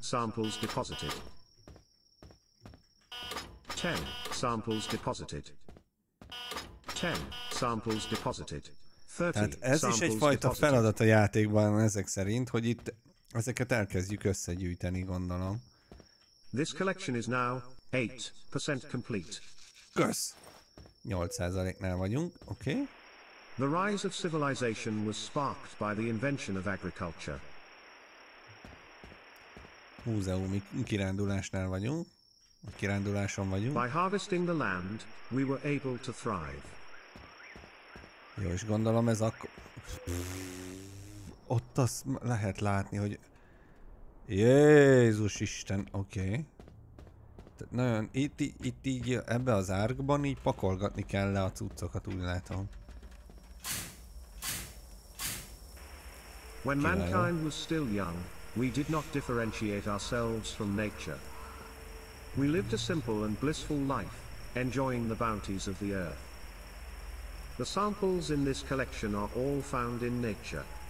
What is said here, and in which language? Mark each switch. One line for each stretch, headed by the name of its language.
English: samples deposited. 10 samples deposited. 10 samples deposited. 30
Hungarian: tehát ez is egyfajta
English: deposited.
Hungarian: Feladat a játékban ezek szerint, hogy itt ezeket elkezdjük összegyűjteni, gondolom.
English: This collection is now 8% complete.
Hungarian: Kösz! 8%-nál vagyunk, oké. Okay.
English: The rise of civilization was sparked by the invention of agriculture.
Hungarian: Múzeumi kirándulásnál vagyunk. Kiránduláson vagyunk.
English: By harvesting the land, we were able to thrive.
Hungarian: Jó, és gondolom ez akkor... Ott azt lehet látni, hogy... Jézus Isten, oké. Okay. Nagyon, itt így ebbe az árkban így pakolgatni kell le a cuccokat, úgy látom.
English: When mankind was still young, we did not differentiate ourselves from nature. We lived a simple and blissful life, enjoying the bounties of the earth. The samples in this collection are all found in nature.